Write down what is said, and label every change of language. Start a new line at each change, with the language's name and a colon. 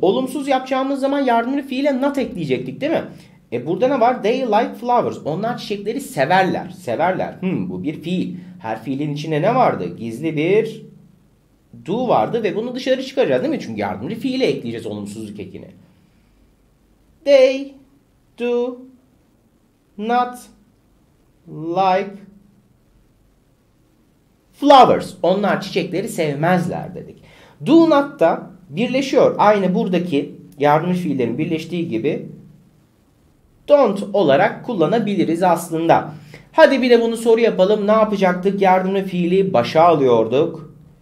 Turkish: Olumsuz yapacağımız zaman yardımcı fiile not ekleyecektik değil mi? Burada ne var?
English: They like flowers.
Turkish: Onlar çiçekleri severler. Severler. Bu bir fiil. Her fiilin içinde ne vardı? Gizli bir do vardı ve bunu dışarı çıkaracağız değil mi? Çünkü yardımcı fiile ekleyeceğiz olumsuzluk ekini.
English: They do not like flowers.
Turkish: Onlar çiçekleri sevmezler dedik. Do not da birleşiyor. Aynı buradaki yardımcı fiillerin birleştiği gibi don't olarak kullanabiliriz aslında. Hadi bir de bunu soru yapalım. Ne yapacaktık? Yardımcı fiili başa alıyorduk.